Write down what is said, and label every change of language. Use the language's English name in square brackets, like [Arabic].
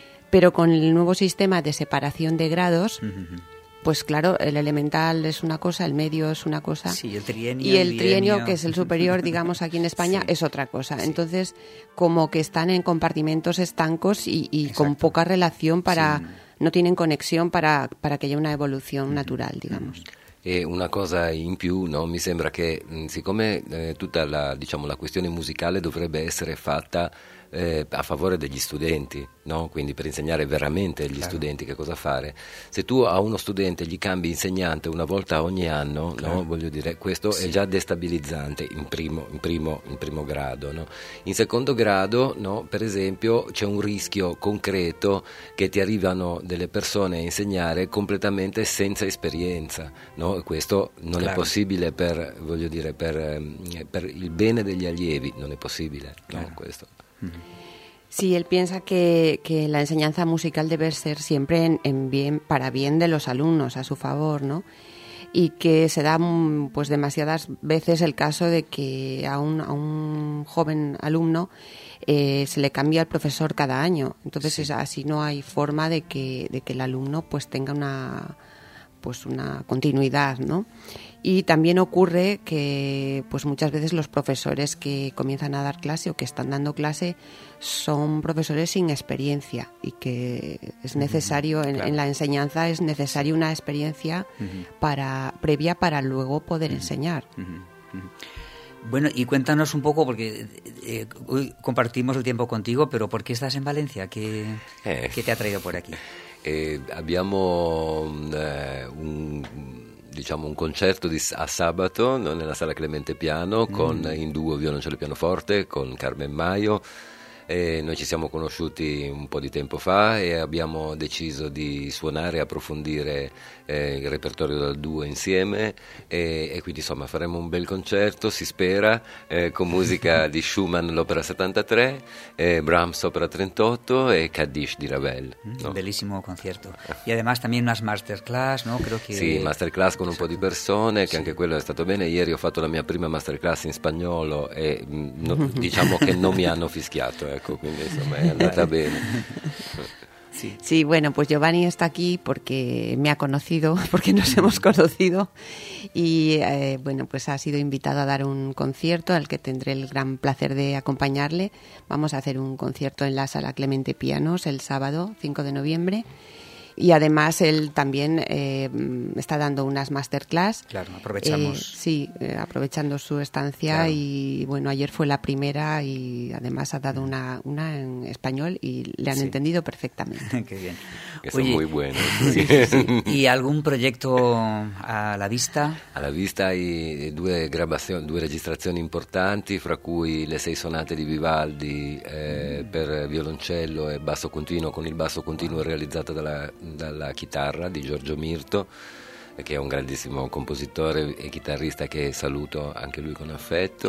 [Spanish] Pero con el nuevo sistema de separación de grados, pues claro, el elemental es una cosa, el medio es una cosa. Sí, el trienio. Y el trienio, que es el superior, digamos, aquí en España, sí, es otra cosa. Sí. Entonces, como que están en compartimentos estancos y con poca relación para... Sí. No tienen conexión para que haya una evolución natural, digamos. [Italian] E una cosa in più, no? Mi sembra che siccome tutta la questione musicale dovrebbe essere fatta a favore degli studenti, no? Quindi per insegnare veramente agli studenti che cosa fare, se tu a uno studente gli cambi insegnante una volta ogni anno, no? Voglio dire, questo è già destabilizzante in primo grado, no? In secondo grado, no? Per esempio, c'è un rischio concreto che ti arrivano delle persone a insegnare completamente senza esperienza, no? Questo non è possibile per il bene degli allievi, non è possibile, no? Questo. [Spanish] Sí, él piensa que la enseñanza musical debe ser siempre para bien de los alumnos, a su favor, ¿no? Y que se da pues demasiadas veces el caso de que a un joven alumno se le cambia el profesor cada año. Entonces, así no hay forma de que el alumno pues tenga una continuidad, ¿no? Y también ocurre que pues muchas veces los profesores que comienzan a dar clase o que están dando clase son profesores sin experiencia y que es necesario, en la enseñanza es necesaria una experiencia previa para luego poder enseñar. Bueno, y cuéntanos un poco, porque hoy compartimos el tiempo contigo, pero ¿por qué estás en Valencia? ¿Qué te ha traído por aquí? [Italian] Abbiamo un concerto a sabato, no, nella sala Clemente Piano con in duo violoncello e pianoforte con Carmen Maio. Noi ci siamo conosciuti un po' di tempo fa e abbiamo deciso di suonare e approfondire il repertorio dal duo insieme e quindi insomma faremo un bel concerto, si spera, con musica di Schumann, l'opera 73, Brahms, opera 38 e Kaddish di Ravel. No? Bellissimo concerto. [Spanish] E además también unas masterclass, no? Creo que... [Italian] Sì, masterclass con un po' di persone, che anche quello è stato bene. Ieri ho fatto la mia prima masterclass in spagnolo e no, diciamo che non mi hanno fischiato. Ecco, quindi insomma è andata bene. [Spanish] Sí, bueno, pues Giovanni está aquí porque me ha conocido, porque nos hemos conocido. Y bueno, pues ha sido invitado a dar un concierto al que tendré el gran placer de acompañarle. Vamos a hacer un concierto en la Sala Clemente Pianos el sábado 5 de noviembre. Y además él también está dando unas masterclass. Claro, aprovechamos. Aprovechando su estancia. Claro. Y bueno, ayer fue la primera y además ha dado una en español y le han entendido perfectamente. Qué bien. Eso es muy bueno. Sí. ¿Y algún proyecto a la vista? A la vista hay [Italian] due registrazioni importanti, fra cui le sei sonate di Vivaldi per violoncello e basso continuo, con il basso continuo realizzato dalla chitarra di Giorgio Mirto, che è un grandissimo compositore e chitarrista che saluto anche lui con affetto.